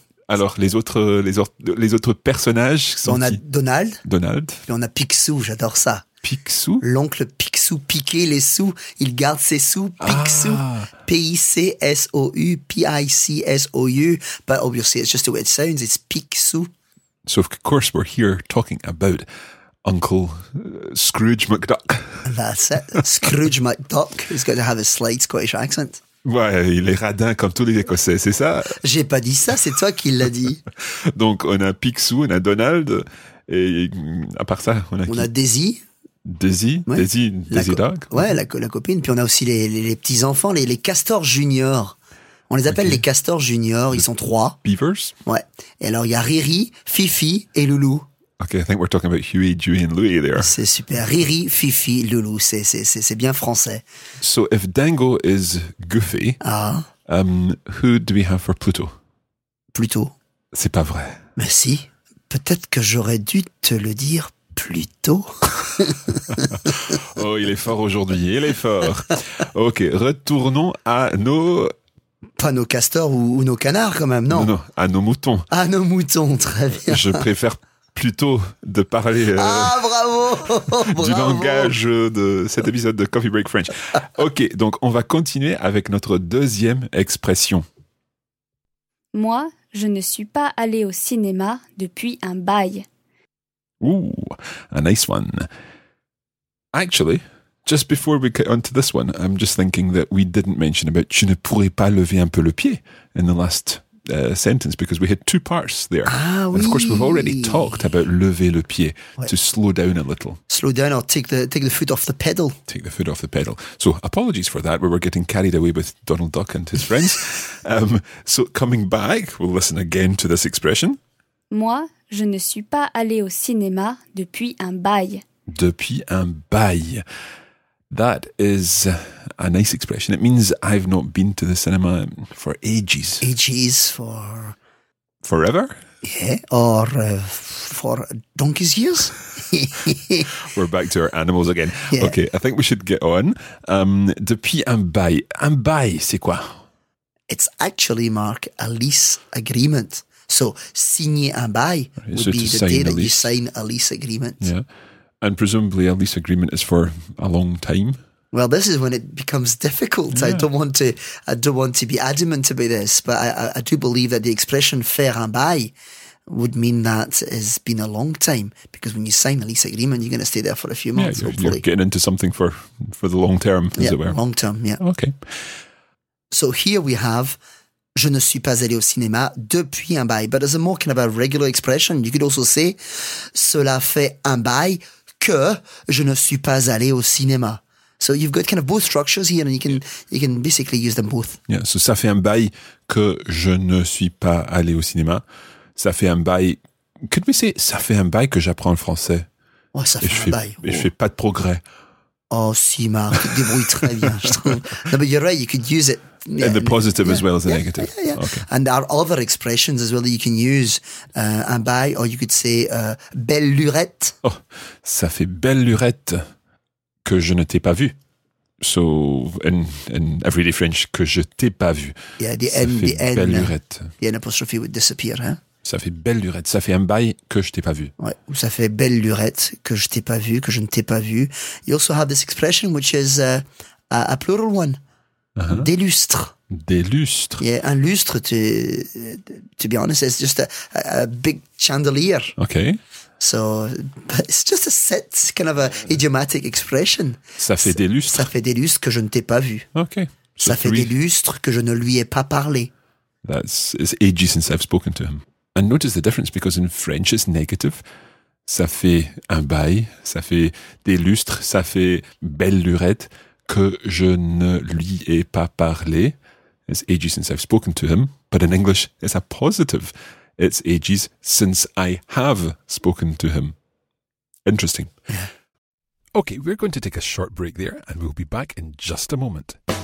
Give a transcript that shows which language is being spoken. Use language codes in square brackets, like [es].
[fr] Alors, les autres personnages sont. On a Donald. Donald. Puis on a Picsou, j'adore ça. Picsou. L'oncle Picsou piquait les sous, il garde ses sous. Picsou. Ah. P-I-C-S-O-U, P-I-C-S-O-U. [en] But obviously, it's just the way it sounds, it's Picsou. So, of course, we're here talking about Uncle Scrooge McDuck. That's it. Scrooge McDuck is going to have a slight Scottish accent. [fr] Ouais, il est radin comme tous les Écossais, c'est ça? J'ai pas dit ça, c'est toi qui l'as dit. Donc, on a Picsou, on a Donald, et à part ça, on a On a Daisy. Daisy, ouais. Daisy, Daisy Dog. Ouais, la copine, puis on a aussi les petits-enfants, les castors juniors. On les appelle okay. Les castors juniors, ils sont trois. [en] Beavers? [fr] Ouais, et alors il y a Riri, Fifi et Loulou. [en] Ok, I think we're talking about Huey, Dewey and Louie there. [fr] C'est super. Riri, Fifi, Loulou, c'est bien français. [en] So if Dingo is Goofy, who do we have for Pluto? Pluto. [fr] C'est pas vrai. Mais si, peut-être que j'aurais dû te le dire plus tôt. Oh, il est fort aujourd'hui, il est fort. Ok, retournons à nos... Pas nos castors ou nos canards quand même, non? Non, non, à nos moutons. À nos moutons, très bien. Je préfère... Plutôt de parler bravo. Langage de cet épisode de Coffee Break French. Ok, donc on va continuer avec notre deuxième expression. Moi, je ne suis pas allé au cinéma depuis un bail. [en] Ooh, a nice one. Actually, just before we get onto this one, I'm just thinking that we didn't mention about [fr] tu ne pourrais pas lever un peu le pied [en] in the last sentence, because we had two parts there. Ah, oui. And of course, we've already talked about [fr] lever le pied, [en] to slow down a little. Slow down or take the foot off the pedal. Take the foot off the pedal. So apologies for that. We were getting carried away with Donald Duck and his friends. So coming back, we'll listen again to this expression. Moi, je ne suis pas allé au cinéma depuis un bail. Depuis un bail. That is a nice expression. It means I've not been to the cinema for ages. Ages for... forever? Yeah, or for donkey's years. We're back to our animals again. Yeah. Okay, I think we should get on. [fr] Depuis un bail. Un bail, c'est quoi? [en] It's actually, Mark, a lease agreement. So, [fr] signer un bail [en] would be the day that you sign a lease agreement. Yeah. And presumably a lease agreement is for a long time. Well, this is when it becomes difficult. Yeah. I don't want to be adamant about this, but I do believe that the expression [fr] faire un bail [en] would mean that it's been a long time, because when you sign a lease agreement, you're going to stay there for a few months, hopefully. You're getting into something for the long term, as it were. Long term, yeah. Okay. So here we have, [fr] je ne suis pas allé au cinéma depuis un bail. [en] But as a more kind of a regular expression, you could also say, [fr] cela fait un bail que je ne suis pas allé au cinéma. [en] So you've got kind of both structures here, and you can basically use them both. Yeah, so [fr] ça fait un bail que je ne suis pas allé au cinéma. Ça fait un bail... [en] Could we say, [fr] ça fait un bail que j'apprends le français? Oh, ça fait un bail. Et je fais pas de progrès. Oh, si, Marc, tu te débrouilles très bien, je trouve. [en] No, but you're right, you could use it. Yeah, in the positive as well as the negative. Yeah, yeah. Okay. And there are other expressions as well that you can use. [fr] Un bail, [en] or you could say [fr] belle lurette. Oh, ça fait belle lurette que je ne t'ai pas vu. [en] So, in everyday French, [fr] que je t'ai pas vu. [en] Yeah, the N apostrophe would disappear. [fr] Hein? Ça fait belle lurette. Ça fait un bail que je t'ai pas vu. Ouais, ou ça fait belle lurette que je t'ai pas vu, que je ne t'ai pas vu. [en] You also have this expression which is a plural one. [fr] Uh-huh. Des lustres. Des lustres. [en] Yeah, [fr] un lustre, [en] to be honest, it's just a big chandelier. Okay. So, but it's just a set, kind of a idiomatic expression. [fr] Ça fait des lustres. Ça fait des lustres que je ne t'ai pas vu. [en] Okay. [fr] So ça fait des lustres que je ne lui ai pas parlé. [en] It's ages since I've spoken to him. And notice the difference, because in French it's negative. [fr] Ça fait un bail, ça fait des lustres, ça fait belle lurette. Que je ne lui ai pas parlé. [en] It's ages since I've spoken to him. But in English, it's a positive. It's ages since I have spoken to him. Interesting. Okay, we're going to take a short break there, and we'll be back in just a moment.